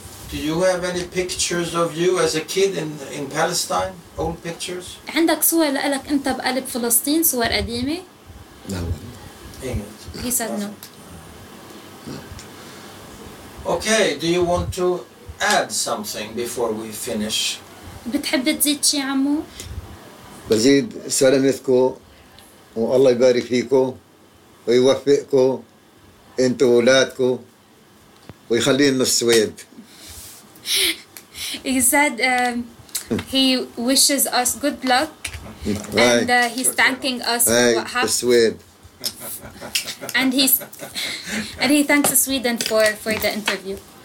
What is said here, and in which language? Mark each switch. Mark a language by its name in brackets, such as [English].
[English] Do you have any pictures of you as a kid in Palestine? Old pictures? [Arabic] عندك صور لك أنت بقلب فلسطين صور قديمة؟ لا. [English] English. He said no. Okay. Do you want to add something before we finish? [Arabic] بتحب تزيد شيء عمو؟ بزيد سلامتكم والله يبارك فيكم ويوفقكم انت وولادكم ويخلينا السويد. [English] He said he wishes us good luck and he's thanking us for what happened. [Arabic] السويد. [English] And he's and he thanks Sweden for the interview.